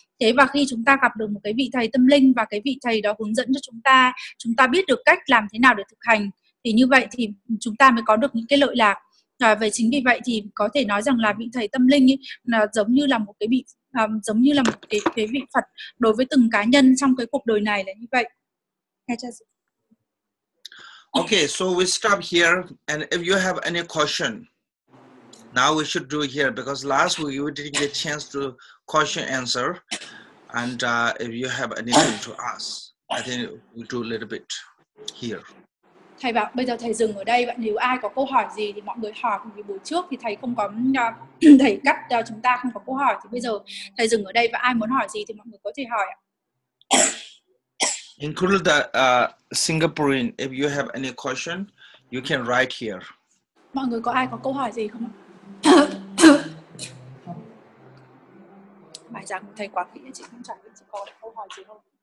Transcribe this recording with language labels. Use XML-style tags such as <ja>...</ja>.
<vi>Thế và khi chúng ta gặp được một cái vị thầy tâm linh và cái vị thầy đó hướng dẫn cho chúng ta biết được cách làm thế nào để thực hành, thì như vậy thì chúng ta mới có được những cái lợi lạc. Và chính vì vậy thì có thể nói rằng là vị thầy tâm linh ấy là giống như là một cái vị giống như là một cái vị Phật đối với từng cá nhân trong cái cuộc đời này là như vậy.</vi> <en>Okay, so we stop here, and if you have any question, now we should do it here, because last week we didn't get a chance to question answer, and if you have anything to ask, I think we do a little bit here.</en> <vi>Thầy bảo bây giờ thầy dừng ở đây, nếu ai có câu hỏi gì thì mọi người hỏi, cùng với buổi trước thì thầy không có thầy cắt cho chúng ta không có câu hỏi, thì bây giờ thầy dừng ở đây và ai muốn hỏi gì thì mọi người có thể hỏi ạ.</vi> <en>Include the Singaporean, if you have any question you can write here.</en> <vi>Mọi người có ai có câu hỏi gì không ạ? Bài giảng thầy quá kỹ, chị không trả lời, chị có câu hỏi gì không?</vi>